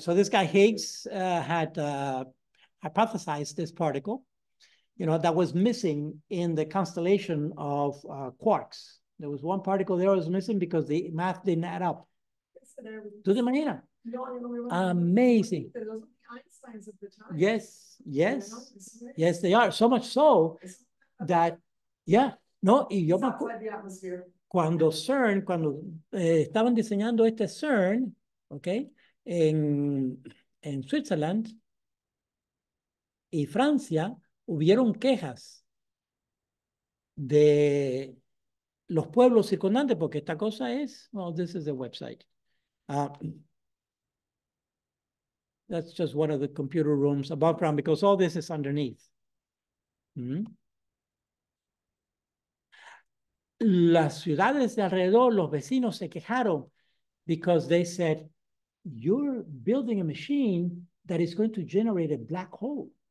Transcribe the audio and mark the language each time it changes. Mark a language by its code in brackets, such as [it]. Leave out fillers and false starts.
[en] So this guy Higgs had hypothesized this particle, you know, that was missing in the constellation of quarks. There was one particle there was missing because the math didn't add up. To the manera. Amazing. Einsteins of the time. Yes. Yes. Yes, they are. So much so that. Yeah, [es] no, y yo me acuerdo, cuando CERN, cuando estaban diseñando este CERN, ok, en Switzerland y Francia, hubieron quejas de los pueblos circundantes, porque esta cosa es, [en] well, this is the website. That's just one of the computer rooms above ground, because all this is underneath. Mm-hmm. [es] Las ciudades de alrededor, los vecinos se quejaron [en] because they said, you're building a machine that is going to generate a black hole.